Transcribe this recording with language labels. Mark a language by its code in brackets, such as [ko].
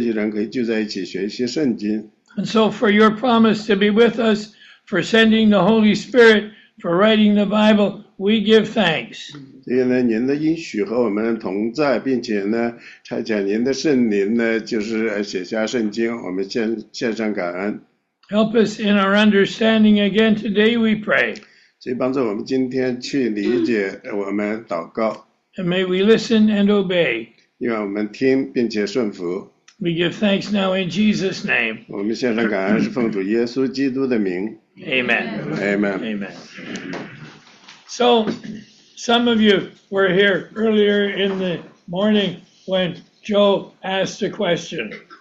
[zh] 你赐给我们这么美好的、美丽的一天，但是呢，有些人呢，他们利用这个去骑自行车，或者说是游泳。我们感谢您呢，我们这些人可以聚在一起学习圣经。 [en] And so for your promise to be with us, for sending the Holy Spirit, for writing the Bible, we give thanks. [zh] 所以呢，您的应许和我们同在，并且呢，差遣您的圣灵呢，就是写下圣经，我们献上感恩。 [en] Help us in our understanding again today, we pray. [zh] 所以帮助我们今天去理解我们祷告。 [en] And may we listen and obey. [zh] 愿我们听并且顺服。 [en] We give thanks now in Jesus' name. [zh] 我们献上感恩是奉主耶稣基督的名。 [en] Amen. Amen. Amen. So, some of you were here earlier in the morning when Joe asked a question.